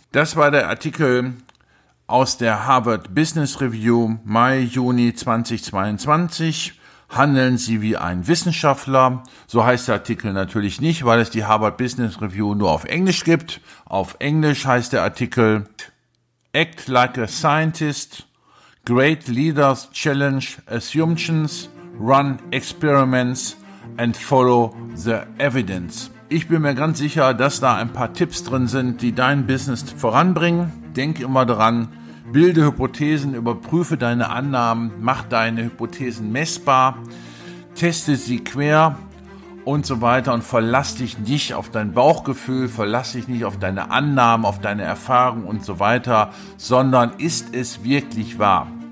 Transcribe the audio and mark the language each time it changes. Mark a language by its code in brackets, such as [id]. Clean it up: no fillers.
[de] Das war der Artikel aus der Harvard Business Review, Mai, Juni 2022. Handeln Sie wie ein Wissenschaftler. So heißt der Artikel natürlich nicht, weil es die Harvard Business Review nur auf Englisch gibt. Auf Englisch heißt der Artikel [en] Act like a scientist. Great leaders challenge assumptions. Run experiments and follow the evidence. [de] Ich bin mir ganz sicher, dass da ein paar Tipps drin sind, die dein Business voranbringen. Denk immer daran, Bilde Hypothesen, überprüfe deine Annahmen, mach deine Hypothesen messbar, teste sie quer und so weiter und verlass dich nicht auf dein Bauchgefühl, verlass dich nicht auf deine Annahmen, auf deine Erfahrung und so weiter, sondern ist es wirklich wahr?